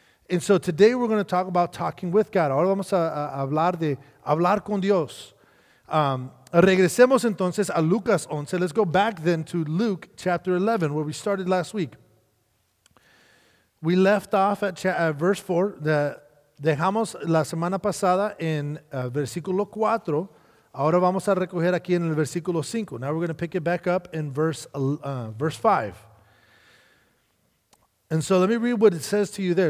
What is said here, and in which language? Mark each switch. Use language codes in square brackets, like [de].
[en] And so today we're going to talk about talking with God. [es] Ahora vamos a hablar de hablar con Dios. Regresemos entonces a Lucas 11. [en] Let's go back then to Luke chapter 11, where we started last week. We left off at verse 4. [es] Dejamos la semana pasada en versículo 4. Ahora vamos a recoger aquí en el versículo 5. [en] Now we're going to pick it back up in verse 5. And so let me read what it says to you there.